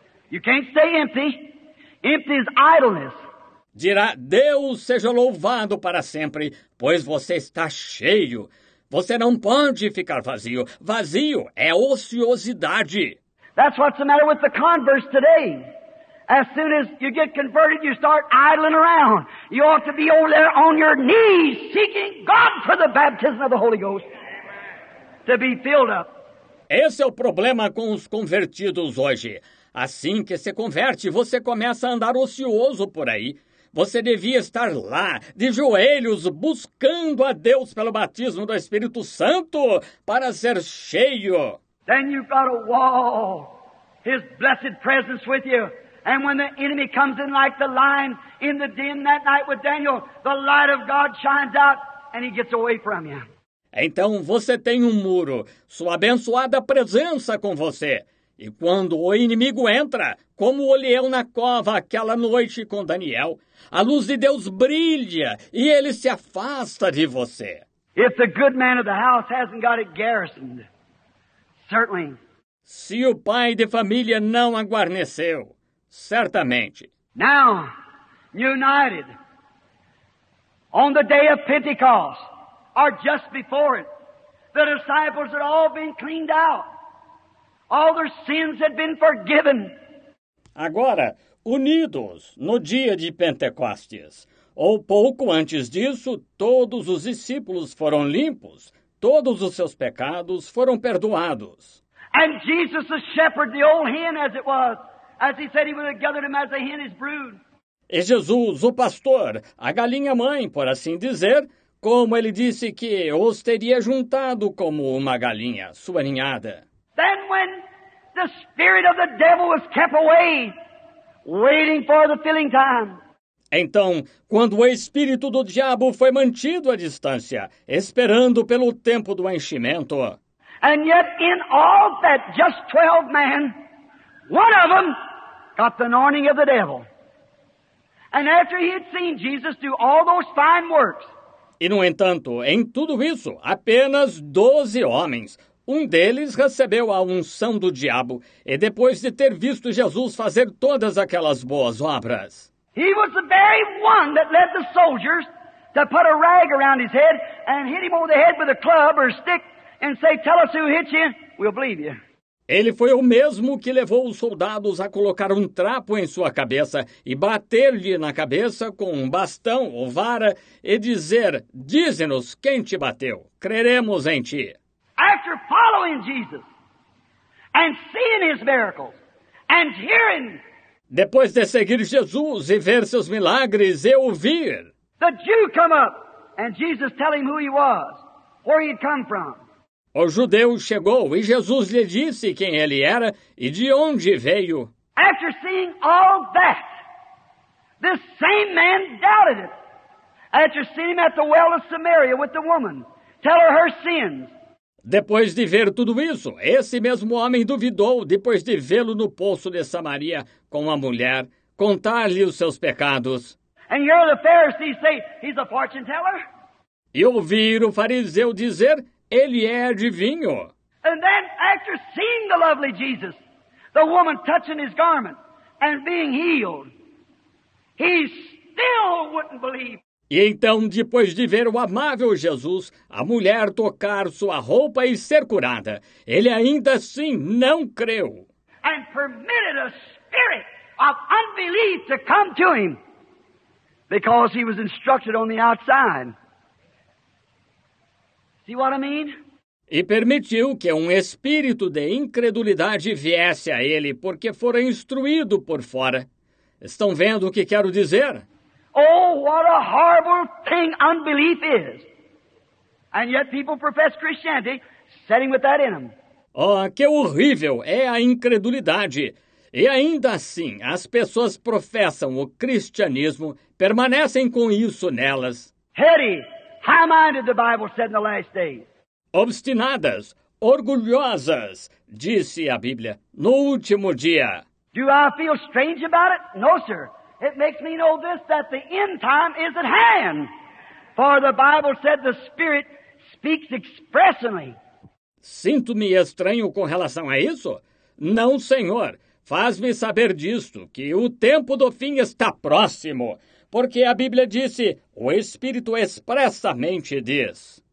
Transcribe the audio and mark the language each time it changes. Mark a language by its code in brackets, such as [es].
[en] You can't stay empty. Empty is idleness. [pt] Dirá, Deus seja louvado para sempre, pois você está cheio. Você não pode ficar vazio. Vazio é ociosidade. [en] That's what's the matter with the converts today. As soon as you get converted, you start idling around. You ought to be over there on your knees seeking God for the baptism of the Holy Ghost to be filled up. [pt] Esse é o problema com os convertidos hoje. Assim que se converte, você começa a andar ocioso por aí. Você devia estar lá, de joelhos, buscando a Deus pelo batismo do Espírito Santo para ser cheio. [en] Then you've got a wall, His blessed presence with you. And when the enemy comes in like the lion in the den that night with Daniel, the light of God shines out and he gets away from you. [pt] Então você tem um muro, sua abençoada presença com você. E quando o inimigo entra, como o leão na cova aquela noite com Daniel, a luz de Deus brilha e ele se afasta de você. [en] If the good man of the house hasn't got it garrisoned, certainly. [pt] Se o pai de família não a guarneceu, certamente. [en] Now, united, on the day of Pentecost, or just before it, the disciples had all been cleaned out. All their sins had been forgiven. [pt] Agora, unidos no dia de Pentecostes, ou pouco antes disso, todos os discípulos foram limpos, todos os seus pecados foram perdoados. [en] And Jesus, the shepherd, the old hen, as it was, as he said he would have gathered him as a hen his brood. [pt] E Jesus, o pastor, a galinha mãe, por assim dizer, como ele disse que os teria juntado como uma galinha, sua ninhada. [en] Then when the spirit of the devil was kept away, waiting for the filling time. [pt] Então, quando o espírito do diabo foi mantido à distância, esperando pelo tempo do enchimento. [en] And yet in all that just 12 men, one of them got the anointing of the devil. And after he had seen Jesus do all those fine works. [pt] E no entanto, em tudo isso, apenas 12 homens. Um deles recebeu a unção do diabo, e depois de ter visto Jesus fazer todas aquelas boas obras. [en] He was the very one that led the soldiers to put a rag around his head and hit him over the head with a club or a stick and say, tell us who hit you, we'll believe you. [pt] Ele foi o mesmo que levou os soldados a colocar um trapo em sua cabeça e bater-lhe na cabeça com um bastão ou vara e dizer, dize-nos quem te bateu, creremos em ti. [en] After following Jesus and seeing his miracles and hearing. [pt] Depois de seguir Jesus e ver seus milagres e ouvir. [en] The Jew come up and Jesus tell him who he was, where he'd come from. [pt] O judeu chegou e Jesus lhe disse quem ele era e de onde veio. [en] After seeing all that, this same man doubted it. After seeing him at the well of Samaria with the woman, tell her sins. [pt] Depois de ver tudo isso, esse mesmo homem duvidou depois de vê-lo no poço de Samaria com a mulher, contar-lhe os seus pecados. [en] And hear the Pharisees say, he's a fortune teller. [pt] E ouvir o fariseu dizer, ele é adivinho. [en] And then after seeing the lovely Jesus, the woman touching his garment and being healed, he still wouldn't believe. [pt] E então, depois de ver o amável Jesus, a mulher tocar sua roupa e ser curada, ele ainda assim não creu. [en] And permitted a spirit of unbelief to come to him because he was instructed on the outside. See what I mean? [pt] E permitiu que um espírito de incredulidade viesse a ele porque fora instruído por fora. Estão vendo o que quero dizer? [en] Oh, what a horrible thing unbelief is. And yet people profess Christianity, sitting with that in them. [pt] Oh, que horrível é a incredulidade. E ainda assim, as pessoas professam o cristianismo, permanecem com isso nelas. [en] Heady, high-minded, the Bible said in the last days. [pt] Obstinadas, orgulhosas, disse a Bíblia, no último dia. [en] Do I feel strange about it? No, sir. It makes me know this, that the end time is at hand. For the Bible said the Spirit speaks expressly. [pt] Sinto-me estranho com relação a isso? Não, Senhor. Faz-me saber disto, que o tempo do fim está próximo. Porque a Bíblia disse, o Espírito expressamente diz.